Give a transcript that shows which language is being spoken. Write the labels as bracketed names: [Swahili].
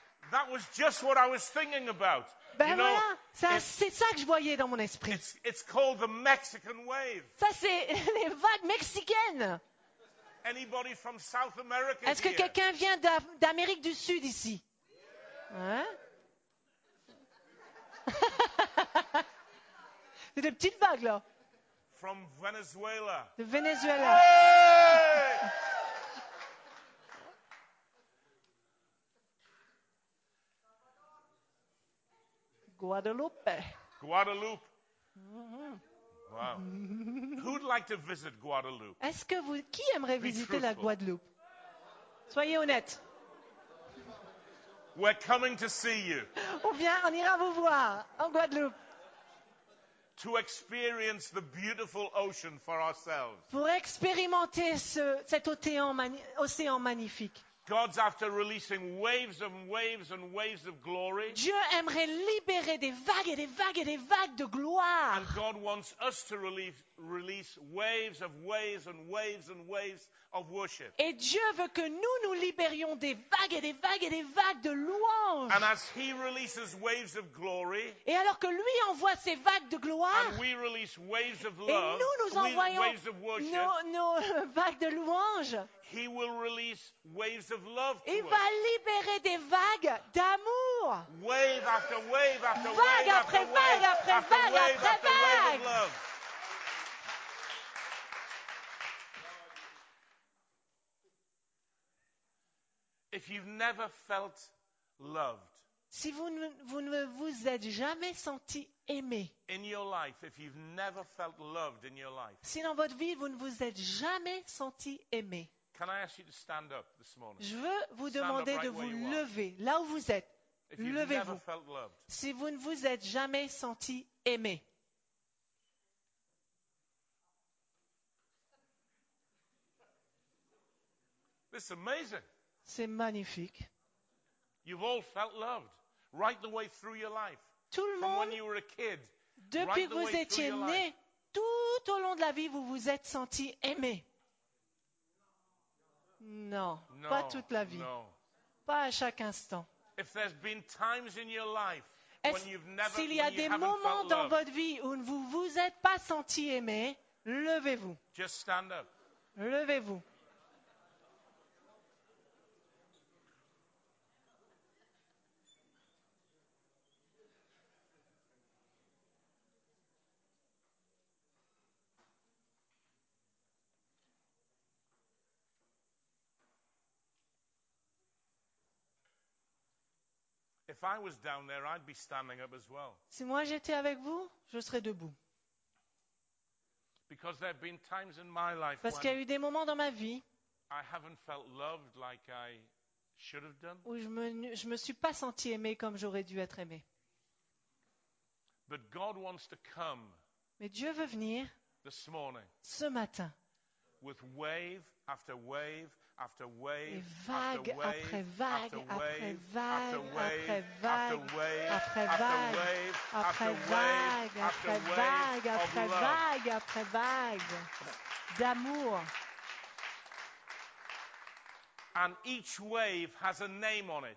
[English] That was just what I was thinking about. Ben you know, [French] voilà, ça, c'est ça que je voyais dans mon esprit. [English] It's called the Mexican wave. [French] Ça, c'est les vagues mexicaines. [English] Anybody from South America? [French] Est-ce que [English] here? [French] Quelqu'un vient d'Amérique du Sud ici? Hein? C'est des petites vagues, là. [English] From Venezuela. [French] De Venezuela. [English] Hey! Guadalupe. [French] Guadalupe. Wow. [English] Who'd like to visit Guadalupe? [French] Est-ce que vous, qui aimerait visiter la Guadeloupe? Soyez honnête. [English] We're coming to see you. [French] Ou bien, on ira vous voir en Guadeloupe. [English] To experience the beautiful ocean for ourselves. [French] Pour expérimenter cet océan magnifique. [English] God's after releasing waves and waves and waves of glory. [French] Dieu aimerait libérer des vagues et des vagues et des vagues de gloire. [English] And God wants us to release waves of waves and waves and waves of worship. [French] Et Dieu veut que nous libérions des vagues et des vagues et des vagues de louange. [English] And as he releases waves of glory, [French] et alors que lui envoie ces vagues de gloire, [English] and we release waves of love, [French] et nous envoyons [English] waves of worship, [French] nos vagues de louange, [English] he will release waves of love to [French] il [English] us. [French] Va libérer des vagues d'amour. [English] Wave after wave after [French] vague [English] wave after [French] vague après vague [English] after [French] après [English] wave [French] vague [English] after [French] vague [English] wave of love. If you've never felt loved, [French] si vous ne vous êtes jamais senti aimé, [English] in your life, if you've never felt loved in your life, [French] si dans votre vie vous ne vous êtes jamais senti aimé, [English] can I ask you to stand up this morning? [French] Je veux vous demander [English] right [French] de vous lever là où vous êtes. [English] If you've [French] levez-vous. [English] Never felt loved. [French] Si vous ne vous êtes jamais senti aimé. [English] This is amazing. [French] C'est magnifique. [English] You've all felt loved right the way through your life. [French] Tout le monde, [English] from when you were a kid, [French] depuis [English] right [French] que vous étiez né, tout au long de la vie, vous vous êtes senti aimé. Non, [English] no, [French] pas toute la vie. [English] No. [French] Pas à chaque instant. [English] If there's been times in your life when you've never, [French] s'il y a des moments dans votre vie où vous ne vous êtes pas senti aimé, levez-vous. [English] Just stand up. [French] Levez-vous. [English] If I was down there, I'd be standing up as well. [French] Si moi j'étais avec vous, je serais debout. [English] Because there have been times in my life [French] parce qu'il y a eu des moments dans ma vie [English] I haven't felt loved like I should have done. [French] Où je me suis pas senti aimé comme j'aurais dû être aimé. [English] But God wants to come. [French] Mais Dieu veut venir [English] this morning. [French] Ce matin. [English] With wave after wave. After wave, [French] vague [English] after wave, [French] après vague, [English] after [French] vague, [English] after wave, [French] après vague, [English] after wave, [French] après vague, après vague, après vague, après vague d'amour. [English] And each wave has a name on it.